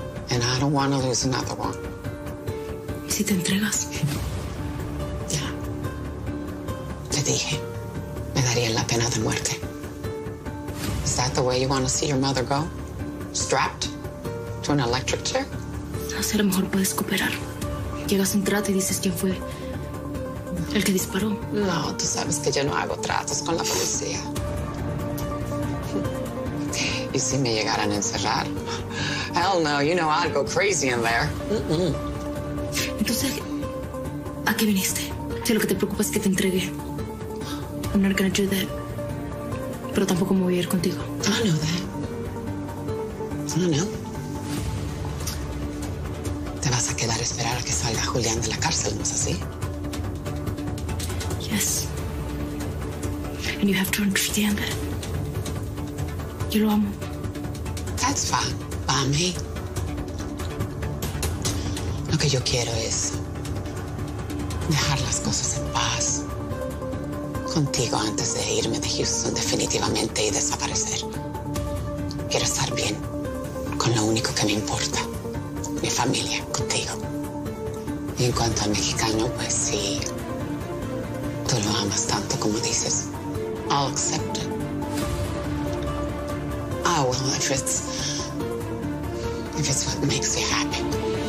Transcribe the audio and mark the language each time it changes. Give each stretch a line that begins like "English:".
English: And I don't want to lose another one.
Spanish: ¿Y si te entregas? Ya. Te dije. Me daría la pena de muerte.
English: Is that the way you want to see your mother go? Strapped to an electric chair?
Spanish: No sé, a lo mejor puedes cooperar. Llegas a un trato y dices quién fue el que disparó. No, tú sabes que yo no hago tratos con la policía. Y si me llegaran a encerrar.
English: Hell no, you know I'd go crazy in there.
Spanish: Entonces, ¿a qué viniste? Si lo que te preocupa es que te entregue.
English: I'm not gonna do that.
Spanish: Pero tampoco me voy a ir contigo.
English: I know that. I know.
Spanish: Te vas a quedar a esperar a que salga Julián de la cárcel, ¿no es así?
English: Yes. And you have to understand that.
Spanish: Yo lo amo.
English: That's fine by me.
Spanish: Lo que yo quiero es dejar las cosas en paz contigo antes de irme de Houston definitivamente y desaparecer. Quiero estar bien con lo único que me importa, mi familia, contigo. Y en cuanto al mexicano, pues sí, tú lo amas tanto como dices.
English: I'll accept it. Oh, well, if it's what makes you happy.